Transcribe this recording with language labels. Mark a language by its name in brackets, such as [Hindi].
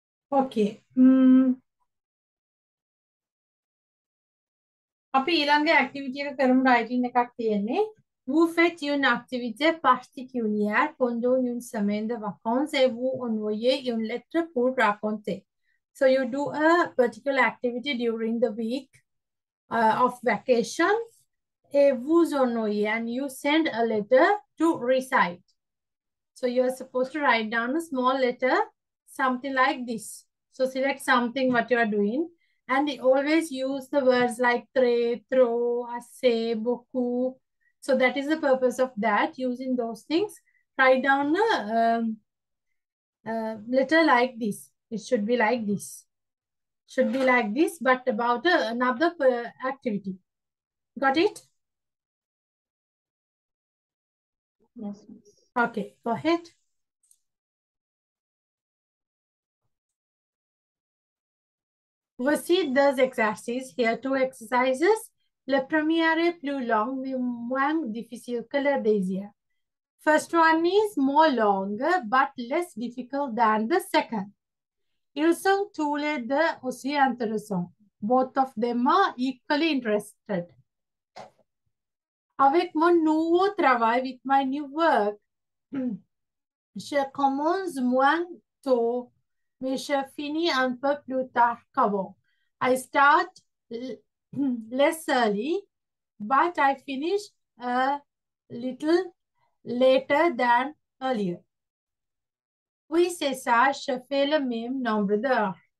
[English] Okay. [Sinhala] Api ilanga activity ka karum writing ekak tiyenne. [French] Vous faites une activité particulière pendant une semaine de vacances et vous envoyez une lettre pour raconter. [English] So you do a particular activity during the week of vacation. [French] Et vous ennuyez, [English] and you send a letter to recite. So you are supposed to write down a small letter, something like this. So select something what you are doing, and always use the words like très, trop, assez, beaucoup. So that is the purpose of that. Using those things, write down a letter like this. It should be like this. Should be like this, but about another activity. Got it? Yes. Okay, go ahead. [French] Voici deux exercices. [English] Here, two exercises. [French] Le premier est plus long, mais moins difficile que le deuxième. [English] First one is more long, but less difficult than the second. [French] Ils sont tous les deux aussi intéressants. [English] Both of them are equally interested. [French] avec mon nouveau travail, [English] with my new work, [French] je commence moins tôt, mais je finis un peu plus tard qu'avant. [English] I start less early, but I finish a little later than earlier. [French] Oui, c'est ça, je fais le même nombre d'heures.